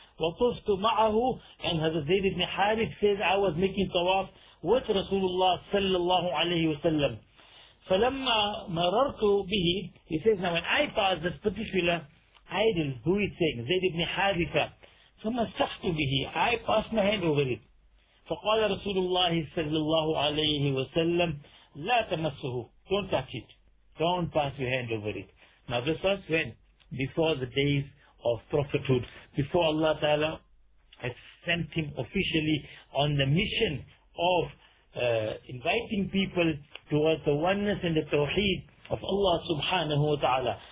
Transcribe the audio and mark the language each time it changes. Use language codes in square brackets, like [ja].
[ar] وَطُفْتُ مَعَهُ. [en] And Hazrat Zayd ibn Harith says, I was making tawaf with Rasulullah sallallahu alayhi wa sallam. [ar] فَلَمَّا مَرَرْتُ بِهِ. [en] He says, now when I pass this particular idol, who is saying? Zayd ibn Haritha. [ar] فَمَسَّحْتُ بِهِ. [en] I passed my hand over it. [ar] فقال رسول الله صلى الله عليه وسلم لا تمسه. [en] Don't touch it. Don't pass your hand over it. Now this was when? Before the days of prophethood. Before Allah Ta'ala had sent him officially on the mission of inviting people towards the oneness and the tawheed of Allah subhanahu wa ta'ala.